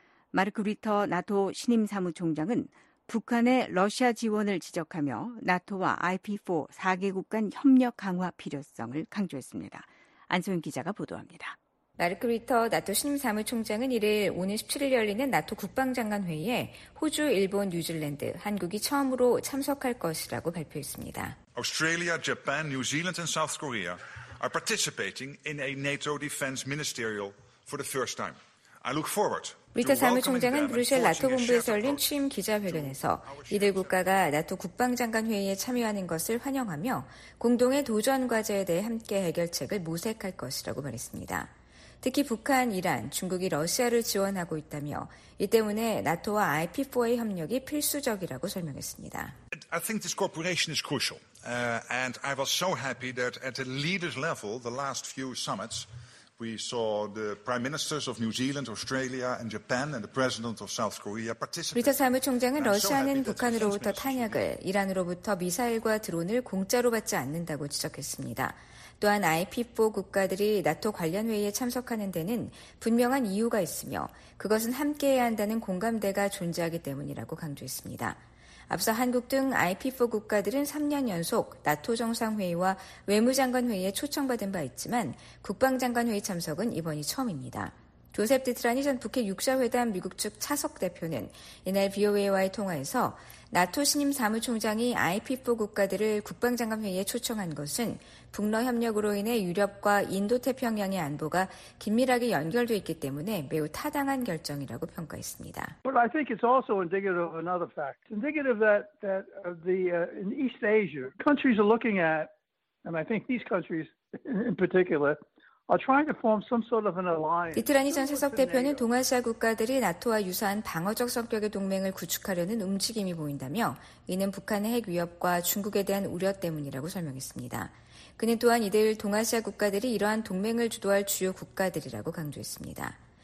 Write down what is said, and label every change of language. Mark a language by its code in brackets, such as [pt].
[ko] 마르크 리터 나토 신임 사무총장은 북한의 러시아 지원을 지적하며 나토와 IP4 4개국 간 협력 강화 필요성을 강조했습니다. 안소영 기자가 보도합니다. 마르크 리터 나토 신임 사무총장은 1일 오는 17일 열리는 나토 국방장관회의에 호주, 일본, 뉴질랜드, 한국이 처음으로 참석할 것이라고 발표했습니다. [en] Australia, Japan, New Zealand and South Korea are participating in a NATO defense ministerial for the first time. I look forward. [ko] 리터 사무총장은 브뤼셀 나토 본부에서 열린 취임 기자회견에서 이들 국가가 나토 국방장관회의에 참여하는 것을 환영하며 공동의 도전 과제에 대해 함께 해결책을 모색할 것이라고 말했습니다. 특히 북한, 이란, 중국이 러시아를 지원하고 있다며 이 때문에 나토와 IP4의 협력이 필수적이라고 설명했습니다. [en] I think this cooperation is crucial. And I was so happy that at the leaders level, the last few summits, we saw the prime ministers of New Zealand, Australia, and Japan, and the president of South Korea participate. [ko] 리터 사무총장은 러시아는 북한으로부터 탄약을, 이란으로부터 미사일과 드론을 공짜로 받지 않는다고 지적했습니다. 또한 IP4 국가들이 나토 관련 회의에 참석하는 데는 분명한 이유가 있으며 그것은 함께해야 한다는 공감대가 존재하기 때문이라고 강조했습니다. 앞서 한국 등 IP4 국가들은 3년 연속 나토 정상회의와 외무장관회의에 초청받은 바 있지만 국방장관회의 참석은 이번이 처음입니다. 조셉 디트라니 전 북핵 6자회담 미국 측 차석 대표는 이날 VOA와의 통화에서 나토 신임 사무총장이 IP4 국가들을 국방장관회의에 초청한 것은 북러 협력으로 인해 유럽과 인도태평양의 안보가 긴밀하게 연결돼 있기 때문에 매우 타당한 결정이라고 평가했습니다. [en] Well, I think it's also indicative of another fact. It's indicative that the in East Asia, countries are looking at, and I think these countries in particular, [ko] 이트라니 전 차석 대표는 동아시아 국가들이 나토와 유사한 방어적 성격의 동맹을 구축하려는 움직임이 보인다며 이는 북한의 핵 위협과 중국에 대한 우려 때문이라고 설명했습니다. 그는 또한 이들 동아시아 국가들이 이러한 동맹을 주도할 주요 국가들이라고 강조했습니다.